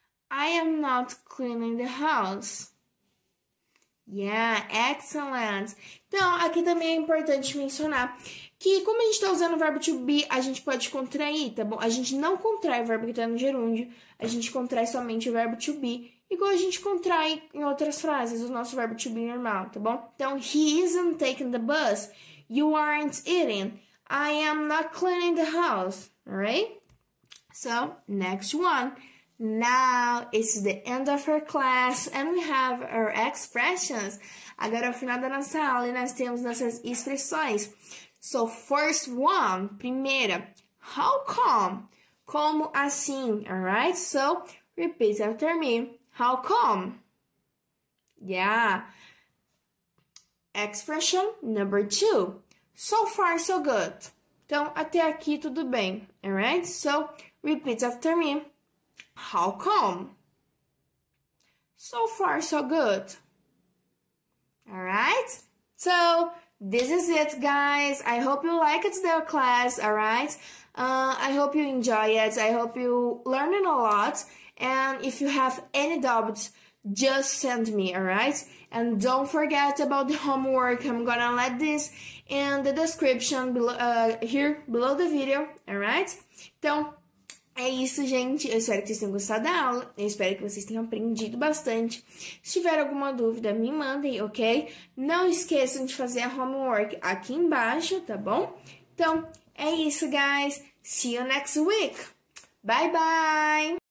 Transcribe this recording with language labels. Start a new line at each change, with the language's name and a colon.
English: I am not cleaning the house. Yeah, excellent.
Portuguese: Então, aqui também é importante mencionar que, como a gente está usando o verbo to be, a gente pode contrair, tá bom? A gente não contrai o verbo que está no gerúndio, a gente contrai somente o verbo to be. Igual a gente contrai em outras frases o nosso verbo to be normal, tá bom? Então,
English: he isn't taking the bus. You aren't eating. I am not cleaning the house. Alright? So, next one. Now, it's the end of our class and we have our expressions.
Portuguese: Agora é o final da nossa aula e nós temos nossas expressões.
English: So, first one.
Portuguese: Primeira.
English: How come?
Portuguese: Como assim?
English: Alright? So, repeat after me. How come? Yeah. Expression number two. So far, so good.
Portuguese: Então, até aqui, tudo bem.
English: Alright? So, repeat after me. How come? So far, so good. Alright? So, this is it, guys. I hope you like it, the class, alright? I hope you enjoy it. I hope you learning a lot. And if you have any doubts, just send me, alright? And don't forget about the homework. I'm gonna let this in the description below, here below the video, alright?
Portuguese: Então, é isso, gente. Eu espero que vocês tenham gostado da aula. Eu espero que vocês tenham aprendido bastante. Se tiver alguma dúvida, me mandem, ok? Não esqueçam de fazer a homework aqui embaixo, tá bom? Então, é isso,
English: guys. See you next week. Bye, bye!